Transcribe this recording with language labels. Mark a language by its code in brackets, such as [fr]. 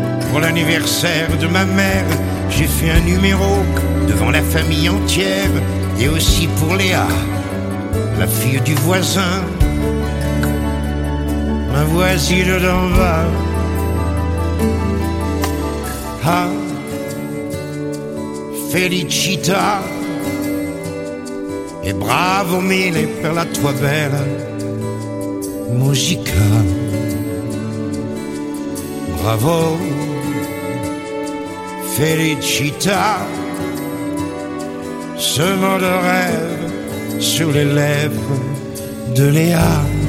[fr] Pour l'anniversaire de ma mère, j'ai fait un numéro devant la famille entière, et aussi pour Léa, la fille du voisin, ma voisine d'en bas. [it] Ah, felicità, e bravo mille per la tua bella musica. [fr] Bravo, felicità, ce mot de rêve sur les lèvres de Léa.